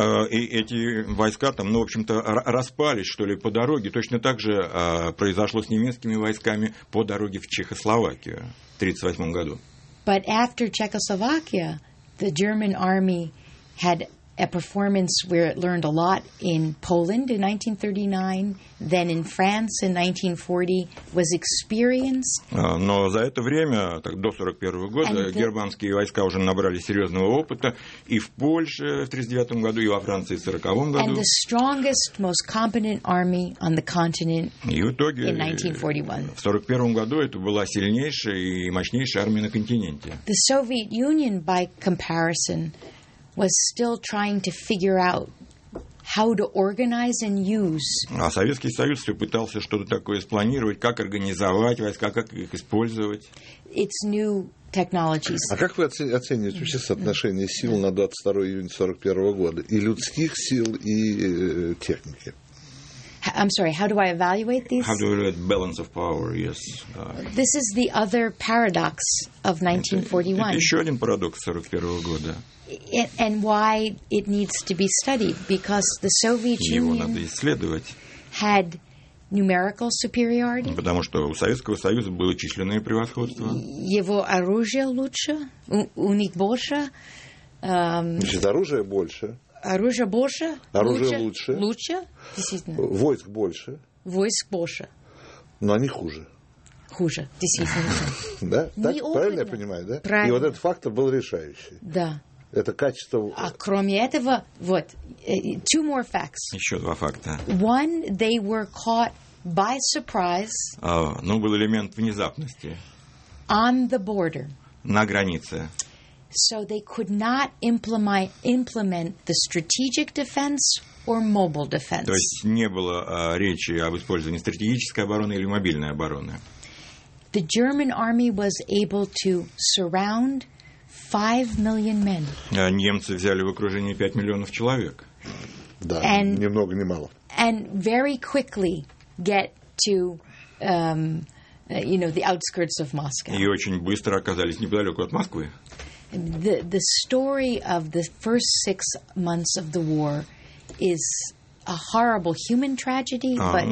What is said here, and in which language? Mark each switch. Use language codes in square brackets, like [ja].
[ru] И эти войска там, в общем-то, распались, что ли, по дороге. Точно так же произошло с немецкими войсками по дороге в Чехословакию в 1938 году. [en] But after Czechoslovakia, the German army had a performance where it learned a lot in Poland in 1939, then in France in 1940, was experienced. [ru] Но за это время, так до 41 года, германские войска уже набрали серьезного опыта и в Польше в 39 году, и во Франции в 40 году. [en] And the strongest, most competent army on the continent in 1941. [ru] В 41 году это была сильнейшая и мощнейшая армия на континенте. [en] The Soviet Union, by comparison, was still trying to figure out how to organize and use. [ru] А Советский Союз все пытался что-то такое спланировать, как организовать войска, как их использовать. [en] It's new technologies. [ru] А как вы оцениваете вообще соотношение сил на 22 июня 41 года и людских сил, и техники? [en] I'm sorry, how do I evaluate these? How do we evaluate balance of power, yes. This is the other paradox of 1941. [ru] Это еще один парадокс 41 года. [en] And why it needs to be studied? Because the Soviet Union had numerical superiority. [ru] Потому что у Советского Союза было численное превосходство. Его оружие лучше, у них больше. Значит, оружие больше. Оружие больше? Оружие лучше. Лучше? Действительно. Войск больше? Войск больше. Но они хуже. Хуже, действительно. Да? Так, правильно я понимаю, да? Правильно. И вот этот фактор был решающий. Да. Это качество... А кроме этого, вот, [en] two more facts. [ru] Еще два факта. [en] One, they were caught by surprise. [ru] Был элемент внезапности. [en] On the border. [ru] На границе. [en] So they could not implement the strategic defense or mobile defense. [ru] То есть не было речи об использовании стратегической обороны или мобильной обороны. [en] The German army was able to surround 5 million men. [ru] Немцы взяли в окружение 5 миллионов человек. Да, and, ни много, ни мало. [en] And very quickly get to, the outskirts of Moscow. [ru] И очень быстро оказались неподалеку от Москвы. [en] The story of the first 6 months of the war is a horrible human tragedy, but